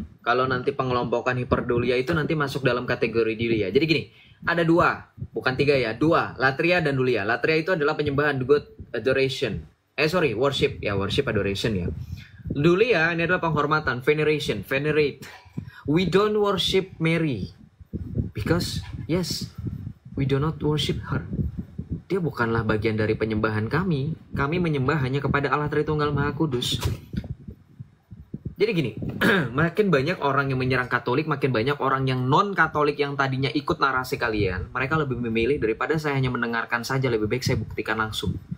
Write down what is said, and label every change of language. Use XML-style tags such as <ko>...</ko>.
<id>Kalau nanti pengelompokan hiperdulia itu nanti masuk dalam kategori dulia. Jadi gini, ada 2, bukan 3 ya, 2, latria dan dulia. Latria itu adalah penyembahan, good adoration. Worship. Ya, worship adoration ya. Dulia ini adalah penghormatan, veneration, venerate.</id> <en>We don't worship Mary. Because, yes, we do not worship her.</en> <id>Dia bukanlah bagian dari penyembahan kami. Kami menyembah hanya kepada Allah Tritunggal Maha Kudus. Jadi gini, makin banyak orang yang menyerang Katolik, makin banyak orang yang non-Katolik yang tadinya ikut narasi kalian, mereka lebih memilih daripada saya hanya mendengarkan saja, lebih baik saya buktikan langsung.</id>